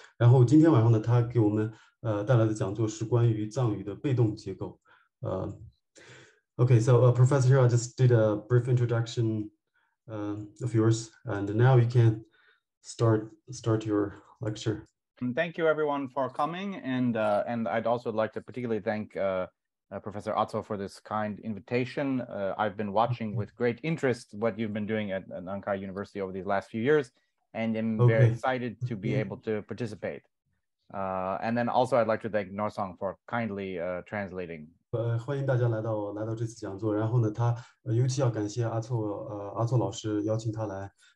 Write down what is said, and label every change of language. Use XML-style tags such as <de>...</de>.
<zh>然后今天晚上呢，他给我们带来的讲座是关于藏语的被动结构。</zh> <en>Okay, so Professor here, I just did a brief introduction of yours, and now you can. Start your lecture. Thank you, everyone, for coming. And I'd also like to particularly thank Professor Atso for this kind invitation. I've been watching with great interest what you've been doing at Nankai University over these last few years, and am very excited to be able to participate. And then also I'd like to thank Norsang for kindly translating.</en> <zh>欢迎大家来到这次讲座。然后呢，他尤其要感谢阿措老师邀请他来。</zh>